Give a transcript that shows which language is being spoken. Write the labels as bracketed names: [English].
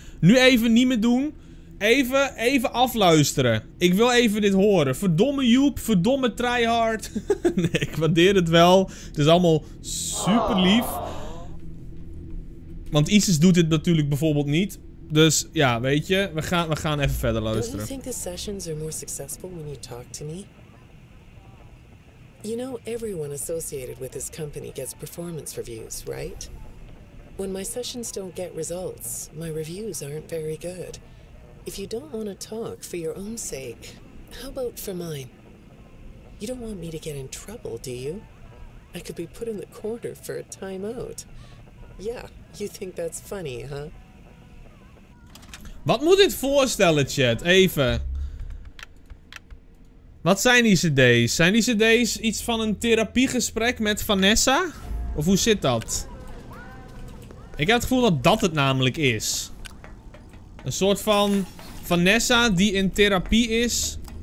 [Dutch] Nu even niet meer doen. Even afluisteren. Ik wil even dit horen. Verdomme Joep, verdomme tryhard. Nee, ik waardeer het wel. Het is allemaal super lief. Want ISIS doet dit natuurlijk bijvoorbeeld niet. Dus ja, weet je, we gaan even verder luisteren. [English] Don't you think the sessions are more successful when you talk to me? You know, everyone associated with this company gets performance reviews, right? When my sessions don't get results, my reviews aren't very good. If you don't want to talk for your own sake, how about for mine? You don't want me to get in trouble, do you? I could be put in the corner for a timeout. Yeah, you think that's funny, huh? [Dutch] Wat moet dit voorstellen, chat? Even. Wat zijn die cd's? Zijn die cd's iets van een therapiegesprek met Vanessa? Of hoe zit dat? Ik heb het gevoel dat dat het namelijk is. Een soort van Vanessa die in therapie is.